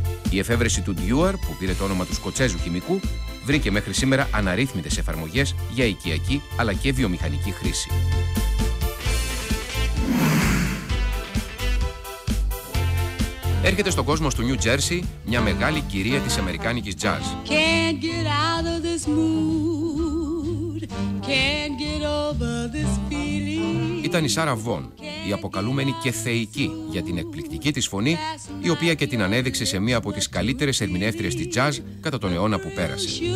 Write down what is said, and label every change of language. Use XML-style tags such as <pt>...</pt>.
<el>Η εφεύρεση του Dewar, που πήρε το όνομα του Σκοτσέζου χημικού, βρήκε μέχρι σήμερα αναρρύθμιτες εφαρμογές για οικιακή αλλά και βιομηχανική χρήση. Έρχεται στον κόσμο του New Jersey μια μεγάλη κυρία της αμερικάνικης jazz.</el> <en>Can't get out of this mood. Can't get over this feeling.</en> <el>Ήταν η Sarah Vaughan, η αποκαλούμενη και θεϊκή για την εκπληκτική της φωνή, η οποία και την ανέδειξε σε μία από τις καλύτερες ερμηνεύτριες της jazz κατά τον αιώνα που πέρασε.</el>